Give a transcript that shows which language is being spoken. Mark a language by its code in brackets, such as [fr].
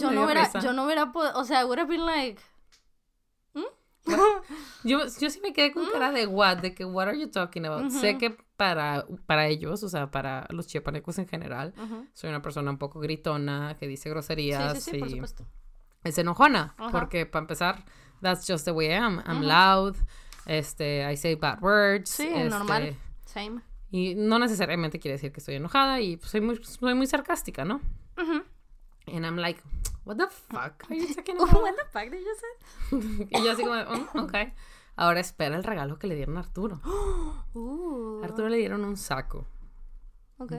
[es] yo no hubiera, yo no hubiera podido... O sea, [en] I would have been like... [es] Yo sí me quedé con cara de what, de que [en] what are you talking about. [es] Uh-huh. Sé que para ellos, o sea, para los chiapanecos en general, uh-huh, soy una persona un poco gritona, que dice groserías. Sí, sí, sí, por supuesto. Es enojona, uh-huh, porque para empezar, [en] that's just the way I am. I'm uh-huh loud, I say bad words. [es] Sí, normal, same. Y no necesariamente quiere decir que estoy enojada y pues, soy muy sarcástica, ¿no? [en] Uh-huh. And I'm like... What the fuck are you talking about? What the fuck did you say? [es] Y yo así como, okay. Ahora espera el regalo que le dieron a Arturo. A Arturo le dieron un saco. Okay.